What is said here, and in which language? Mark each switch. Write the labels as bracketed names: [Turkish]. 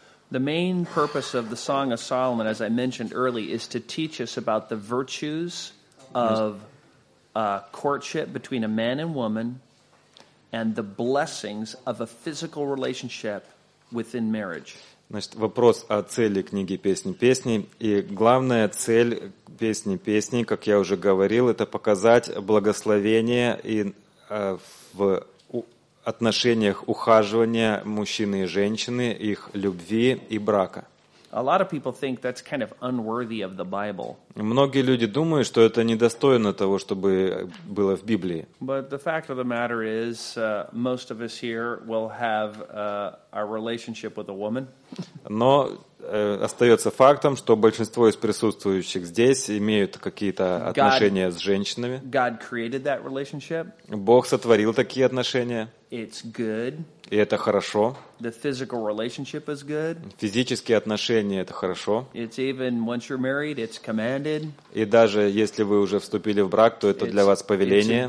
[English] The main purpose of the Song of Solomon, as I mentioned early, is to teach us about the virtues of courtship between a man and woman and the blessings of a physical relationship within marriage. [Russian] Значит, вопрос о цели книги «Песни песней». И главная цель «Песни песней», как я уже говорил, это показать благословение и в отношениях ухаживания мужчины и женщины, их любви и брака. [English] A lot of people think that's kind of unworthy of the Bible. [Russian] Многие люди думают, что это недостойно того, чтобы было в Библии. [English] But the fact of the matter is, most of us here will have our relationship with a woman. [Russian] Но остается фактом, что большинство из присутствующих здесь имеют какие-то отношения с женщинами. [English] God created that relationship. [Russian] Бог сотворил такие отношения. [English] It's good. [Russian] И это хорошо. [English] The physical relationship is good. [Russian] Физические отношения — это хорошо. [English] It's even once you're married, it's commanded. [Russian] И даже если вы уже вступили в брак, то это для вас повеление.